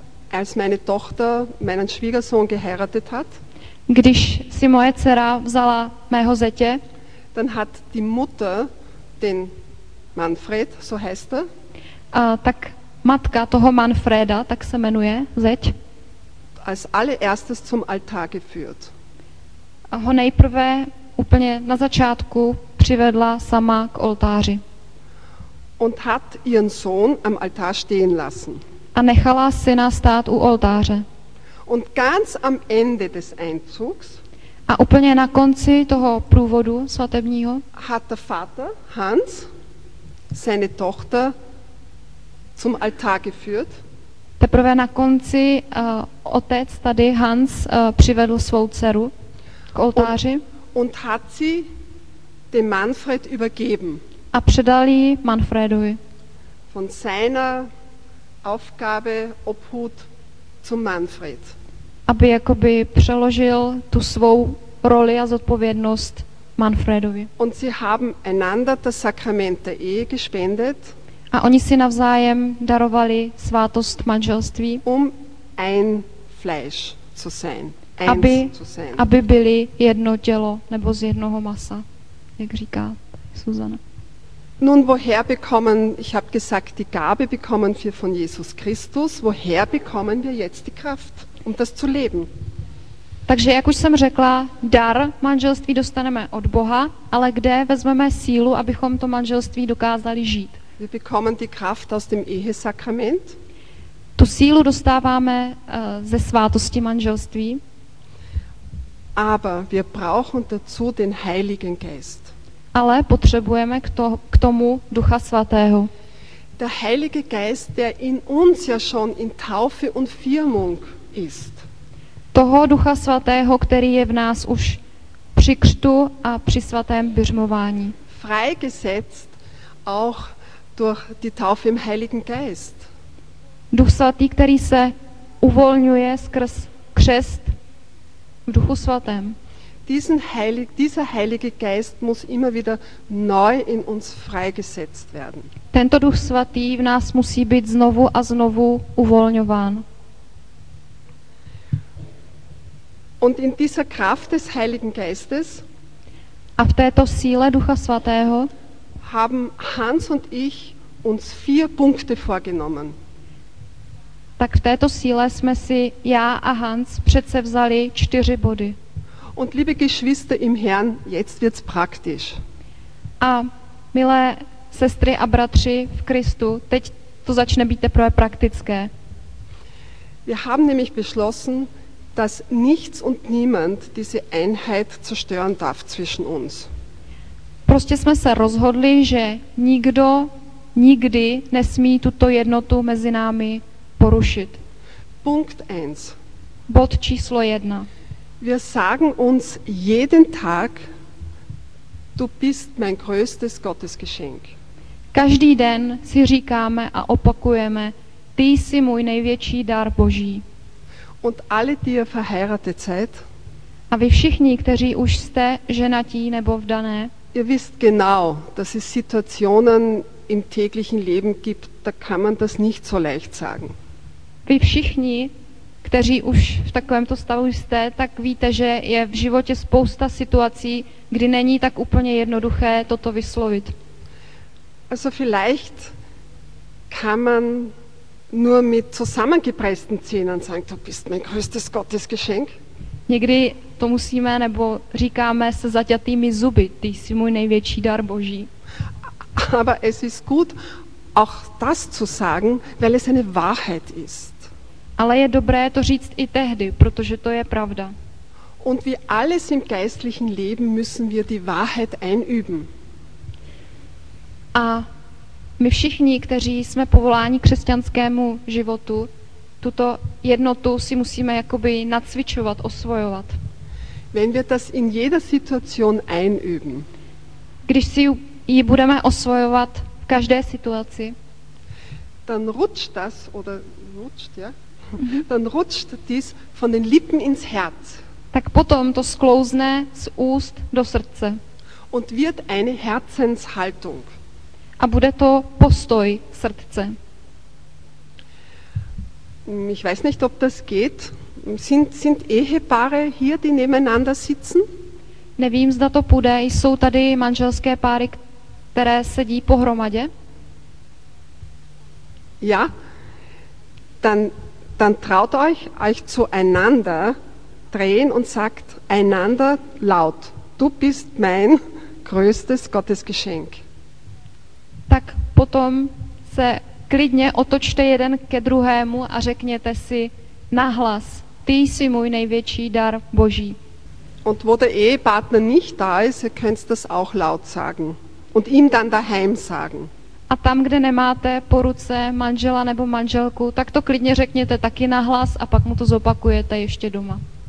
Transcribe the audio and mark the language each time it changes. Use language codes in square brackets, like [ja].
[de] Als meine Tochter meinen Schwiegersohn geheiratet hat. [cs] Když si moje dcera vzala mého zetě, [de] dann hat die Mutter den Manfred, so heißt er. [cs] Tak matka toho Manfreda, tak se jmenuje zeť. [de] Als allererstes zum Altar geführt. [cs] A ho nejprve úplně na začátku přivedla sama k oltáři. [de] Und hat ihren Sohn am Altar stehen lassen. [cs] A nechala syna stát u oltáře. [de] Und ganz am Ende des Einzugs. [cs] A úplně na konci toho průvodu svatebního. [de] Hat der Vater Hans seine Tochter zum Altar geführt. [cs] Teprve na konci otec tady Hans přivedl svou dceru k oltáři. [de] Und hat sie dem Manfred übergeben. [cs] A předal ji Manfredovi. [de] Von seiner Aufgabe Obhut zum Manfred. [cs] Aby jakoby přeložil tu svou roli a zodpovědnost Manfredovi. [de] Und sie haben einander das Sakrament der Ehe gespendet. [cs] A oni si navzájem darovali svátost manželství. [de] Um ein Fleisch zu sein. [cs] Aby byli jedno tělo nebo z jednoho masa, jak říká Susanna. [de] Nun woher bekommen, ich habe gesagt, die Gabe bekommen wir von Jesus Christus, woher bekommen wir jetzt die Kraft, um das zu leben? [cs] Takže jak už jsem řekla, dar manželství dostaneme od Boha, ale kde vezmeme sílu, abychom to manželství dokázali žít? [de] Wir bekommen die Kraft aus dem Ehesakrament. [cs] Tu sílu dostáváme ze svátosti manželství. [de] Aber wir brauchen dazu den Heiligen Geist. [cs] Ale potřebujeme k tomu Ducha Svatého. [de] Der Heilige Geist, der in uns ja schon in Taufe und Firmung ist. [cs] Toho Ducha Svatého, který je v nás už při křtu a při svatém běžmování. [de] Freigesetzt auch durch die Taufe im Heiligen Geist. [cs] Duch Svatý, který se uvolňuje skrz křest v Duchu Svatém. [de] Dieser Heilige Geist muss immer wieder neu in uns freigesetzt werden. [cs] Tento Duch Svatý v nás musí být znovu a znovu uvolňován. [de] Und in dieser Kraft des Heiligen Geistes [cs] a v této síle Ducha Svatého [de] haben Hans und ich uns 4 Punkte vorgenommen. [cs] Tak v této síle jsme si já a Hans předsevzali 4 body. [de] Und liebe Geschwister im Herrn, jetzt wird's praktisch. [cs] A milé sestry a bratři v Kristu, teď to začne být teprve praktické. [de] Wir haben nämlich beschlossen, dass nichts und niemand diese Einheit zerstören darf zwischen uns. [cs] Prostě jsme se rozhodli, že nikdo nikdy nesmí tuto jednotu mezi námi porušit. [de] Punkt 1. [cs] Bod číslo 1. [de] Wir sagen uns jeden Tag, du bist mein größtes Gottesgeschenk. [cs] Každý den si říkáme a opakujeme, Ty jsi můj největší dar Boží. [de] Und alle, die ihr verheiratet seid, [cs] a vy všichni, kteří už jste ženatí nebo vdané, [de] ihr wisst genau, dass es Situationen im täglichen Leben gibt, da kann man das nicht so leicht sagen. [cs] Vy všichni, kteří už v takovémto stavu jste, tak víte, že je v životě spousta situací, kdy není tak úplně jednoduché toto vyslovit. [de] Also vielleicht kann man nur mit zusammengepressten Zähnen sagen, du bist mein größtes Gottesgeschenk. [cs] Někdy to musíme, nebo říkáme se zaťatými zuby, ty jsi můj největší dar Boží. [de] Aber es ist gut, auch das zu sagen, weil es eine Wahrheit ist. [cs] Ale je dobré to říct i tehdy, protože to je pravda. [de] Und wie alles im geistlichen Leben müssen wir die Wahrheit einüben. [cs] A my všichni, kteří jsme povoláni křesťanskému životu, tuto jednotu si musíme jakoby nacvičovat, osvojovat. [de] Wenn wir das in jeder Situation einüben. [cs] Když si ji budeme osvojovat v každé situaci. [de] Dann rutscht das oder rutscht, ja? Dann rutscht dies von den Lippen ins Herz. [cs] Tak potom to sklouzne z úst do srdce. [de] Und wird eine Herzenshaltung. [cs] A bude to postoj srdce. [de] Ich weiß nicht, ob das geht. Sind Ehepaare hier, die nebeneinander sitzen? [cs] Nevím, zda to půjde. Jsou tady manželské páry, které sedí pohromadě? [de] Ja. Dann traut euch zueinander drehen und sagt einander laut: Du bist mein größtes Gottesgeschenk. [cs] Tak potom se klidně otočte jeden ke druhému a řekněte si nahlas: Ty jsi můj největší dar Boží. [de] Und wo der Ehepartner nicht da ist, ihr könnt das auch laut sagen und ihm dann daheim sagen. [cs] A tam, kde nemáte po ruce manžela nebo manželku, tak to klidně řekněte taky nahlas a pak mu to zopakujete ještě doma.